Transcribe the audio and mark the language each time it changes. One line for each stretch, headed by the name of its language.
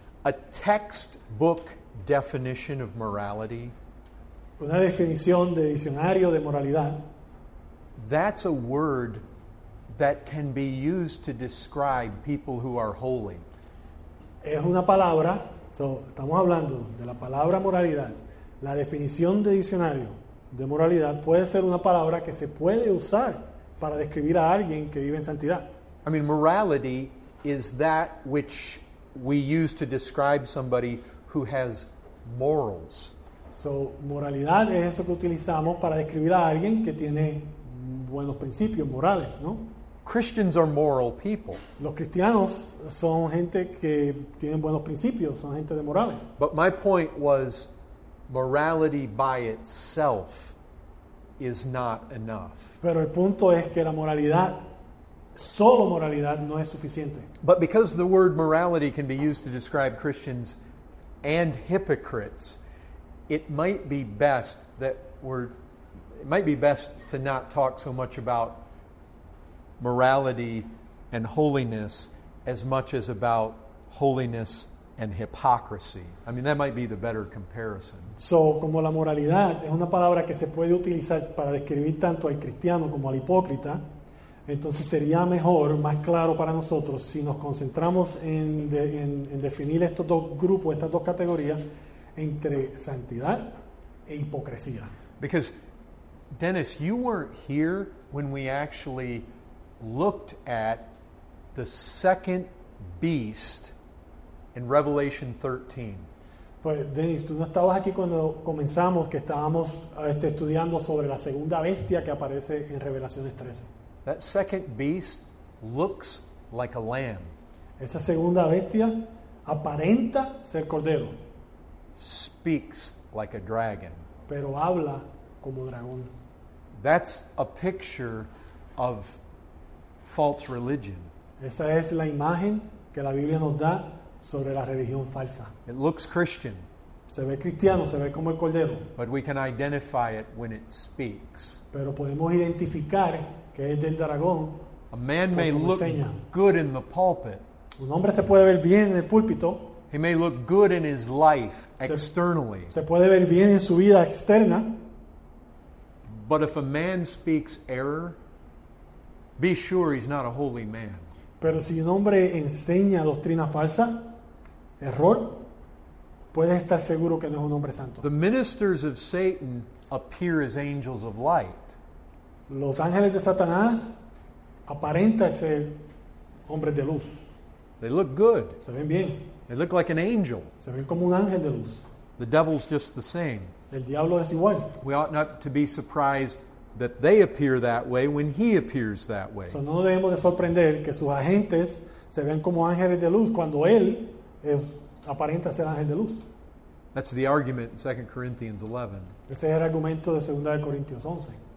English: A textbook definition of morality.
Spanish: Una definición de diccionario de moralidad.
English: That's a word that can be used to describe people who are holy.
Spanish: Es una palabra. So, estamos hablando de la palabra moralidad. La definición de diccionario de moralidad puede ser una palabra que se puede usar para describir a alguien que vive en santidad.
English: I mean, morality is that which we use to describe somebody who has morals.
Spanish: So, moralidad es eso que utilizamos para describir a alguien que tiene buenos principios morales, ¿no?
English: Christians are moral people.
Spanish: Los cristianos son gente que tienen buenos principios, son gente de morales.
English: But my point was, morality by itself is not enough.
Spanish: Pero el punto es que la moralidad, solo moralidad, no es suficiente.
English: But because the word morality can be used to describe Christians and hypocrites, it might be best that it might be best to not talk so much about morality and holiness as much as about holiness and hypocrisy. I mean, that might be the better comparison.
Spanish: So, como la moralidad es una palabra que se puede utilizar para describir tanto al cristiano como al hipócrita, entonces sería mejor, más claro para nosotros, si nos concentramos en definir estos dos grupos, estas dos categorías, entre santidad e hipocresía.
English: Because, Dennis, you weren't here when we actually looked at the second beast in Revelation 13.
Spanish: Pues, Dennis, tú no estabas aquí cuando comenzamos, que estábamos estudiando sobre la segunda bestia que aparece en Revelaciones 13.
English: That second beast looks like a lamb.
Spanish: Esa segunda bestia aparenta ser cordero.
English: Speaks like a dragon.
Spanish: Pero habla como dragón.
English: That's a picture of false religion.
Spanish: Esa es la imagen que la Biblia nos da sobre la religión falsa.
English: It looks Christian.
Spanish: Se ve cristiano, se ve como el cordero.
English: But we can identify it when it speaks.
Spanish: Pero podemos identificar que es del dragón.
English: A man may look good in the pulpit.
Spanish: Un hombre se puede ver bien en el púlpito.
English: He may look good in his life externally.
Spanish: Se puede ver bien en su vida externa.
English: But if a man speaks error, be sure he's not a holy man.
Spanish: Pero si un hombre enseña doctrina falsa, error, puedes estar seguro que no es un hombre santo.
English: The ministers of Satan appear as angels of light.
Spanish: Los ángeles de Satanás aparentan ser hombres de luz.
English: They look good.
Spanish: Se ven bien.
English: They look like an angel.
Spanish: Se ven como un ángel de luz.
English: The devil's just the same.
Spanish: El diablo es igual.
English: We ought not to be surprised that they appear that way when he appears that way.
Spanish: So no debemos de sorprender que sus agentes se ven como ángeles de luz cuando él es, aparenta ser ángel de luz.
English: That's the argument in 2 Corinthians 11.
Spanish: Ese es el argumento de 2 Corintios 11.